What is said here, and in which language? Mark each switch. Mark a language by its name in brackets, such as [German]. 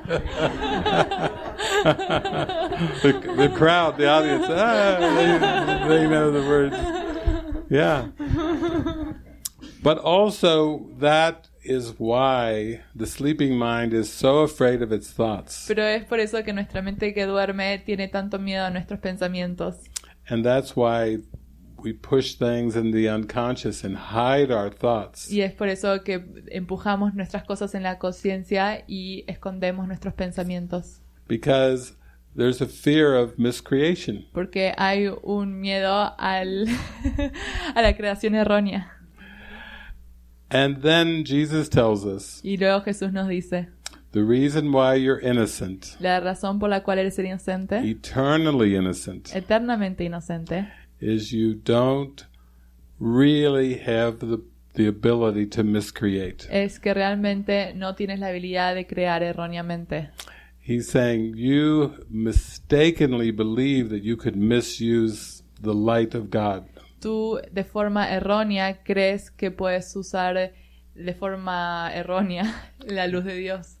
[English] The crowd, the audience, they know the words. Yeah. But also that is why the sleeping mind is so afraid of its thoughts. [Spanish] Pero es por eso que nuestra mente que duerme tiene tanto miedo a nuestros pensamientos. [English] And that's why we push things in the unconscious and hide our thoughts. [Spanish] Y es por eso que empujamos nuestras cosas en la conciencia y escondemos nuestros pensamientos. [English] Because there's a fear of miscreation. [Spanish] Porque hay un miedo a la creación errónea. [English] And then Jesus tells us. [Spanish] Y luego Jesús nos dice. [English] The reason why you're innocent. [Spanish] La razón por la cual eres inocente. [English] Eternally innocent. [Spanish] Eternamente inocente. [English] Is you don't really have the ability to miscreate. [Spanish] Es que realmente no tienes la habilidad de crear erróneamente. [English] He's saying you mistakenly believe that you could misuse the light of God. [Spanish] Tú de forma errónea crees que puedes usar de forma errónea la luz de Dios.